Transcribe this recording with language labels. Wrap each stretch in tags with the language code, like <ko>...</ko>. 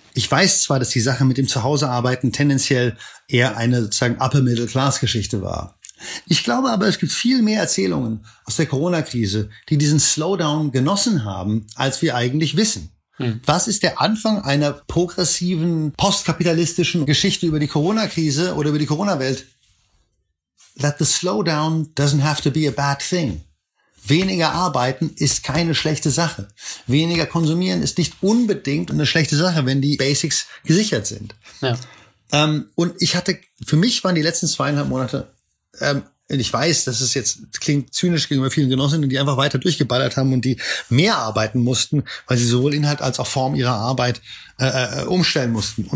<de>Ich weiß zwar, dass die Sache mit dem Zuhausearbeiten tendenziell eher eine sozusagen Upper-Middle-Class-Geschichte war. Ich glaube aber, es gibt viel mehr Erzählungen aus der Corona-Krise, die diesen Slowdown genossen haben, als wir eigentlich wissen. Was ist der Anfang einer progressiven, postkapitalistischen Geschichte über die Corona-Krise oder über die Corona-Welt?</de> <en>That the slowdown doesn't have to be a bad thing.</en> <de>Weniger arbeiten ist keine schlechte Sache. Weniger konsumieren ist nicht unbedingt eine schlechte Sache, wenn die Basics gesichert sind. Ja. Und ich hatte, für mich waren die letzten 2,5 Monate, und ich weiß, dass es jetzt klingt zynisch gegenüber vielen Genossinnen, die einfach weiter durchgeballert haben und die mehr arbeiten mussten, weil sie sowohl Inhalt als auch Form ihrer Arbeit umstellen mussten.</de>